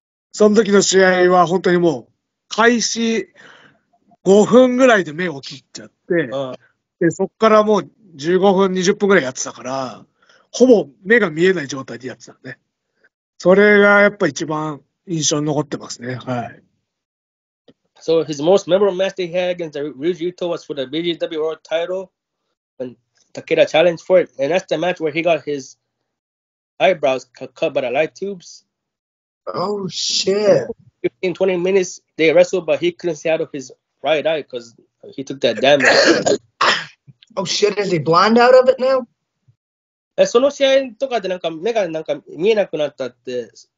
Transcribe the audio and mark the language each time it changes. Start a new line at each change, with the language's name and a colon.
Japanese: その時の試合は本当にもう、開始5分ぐらいで目を切っちゃって、でそこからもう15分、20分ぐらいやってたから、ほぼ目が見えない状態でやってたね。それがやっぱ一番印象に残ってますね。はい。
English: So his most memorable match that he had against Ryuji Ito was for the BJW World title and Takeda challenged for it. And that's the match where he got his eyebrows cut by the light tubes. Oh, shit. 15, 20 minutes, they wrestled, but he couldn't see out of his right eye because he took that damage. Oh, shit. Is he blind out of it now?
Japanese: その試合とかでなんか目がなんか見えなくなったって。